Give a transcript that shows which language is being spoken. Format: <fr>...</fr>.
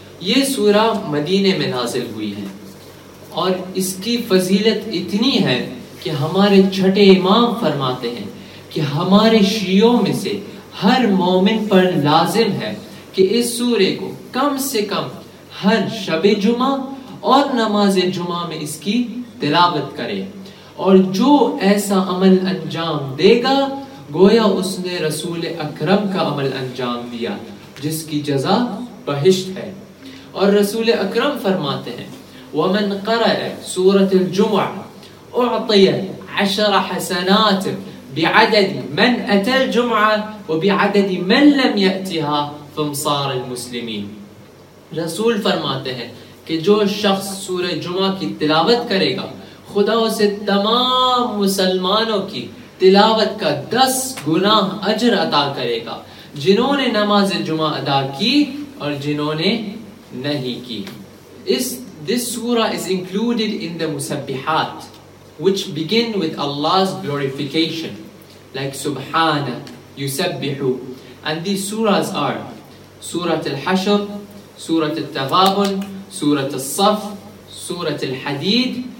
<ur>یہ سورہ مدینے میں نازل ہوئی ہے اور اس کی فضیلت اتنی ہے کہ ہمارے چھٹے امام فرماتے ہیں کہ ہمارے شیعوں میں سے ہر مومن پر لازم ہے کہ اس سورہ کو کم سے کم ہر شب جمعہ اور نماز جمعہ میں اس کی تلاوت کرے، اور جو ایسا عمل انجام دے گا گویا اس نے رسول اکرم کا عمل انجام دیا، جس کی جزا بہشت ہے. اور رسول اکرم فرماتے ہیں:</ur> <ar>ومن قرأ سورة الجمعة اعطي عشر حسنات بعدد من اتى الجمعة وبعدد من لم يأتها فامصار المسلمين.</ar> <ur>رسول فرماتے ہیں کہ جو شخص سورہ جمعہ کی تلاوت کرے گا، خدا اسے تمام مسلمانوں کی تلاوت کا 10 گنا اجر عطا کرے گا، جنہوں نے نماز جمعہ ادا کی اور جنہوں نے نہیں کی.</ur> <en>This surah is included in the musabbihat which begin with Allah's glorification, like subhana, yusabbihu. And these surahs are surah al-hashr, surah at-taghabun, سورة الصف، سورة الحديد،</en>